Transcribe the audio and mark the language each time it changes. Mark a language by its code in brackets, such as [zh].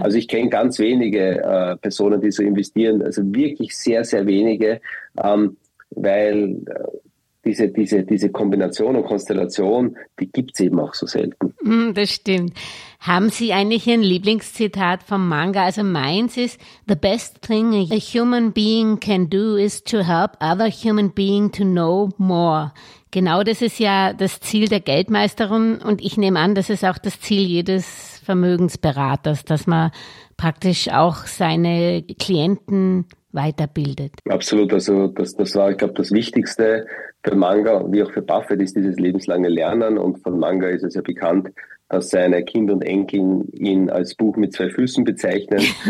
[de] Also ich kenne ganz wenige Personen, die so investieren, also wirklich sehr, sehr wenige, weil diese Kombination und Konstellation, die gibt es eben auch so selten. Das stimmt. Haben Sie eigentlich ein Lieblingszitat vom Manga? Also meins ist, [en] the best thing a human being can do is to help other human being to know more. [de] Genau das ist ja das Ziel der Geldmeisterin und ich nehme an, das ist auch das Ziel jedes Vermögensberaters, dass man praktisch auch seine Klienten weiterbildet. Absolut, also das war, ich glaube, das Wichtigste für Manga wie auch für Buffett ist dieses lebenslange Lernen und von Manga ist es ja bekannt, dass seine Kinder und Enkel ihn als Buch mit 2 Füßen bezeichnen.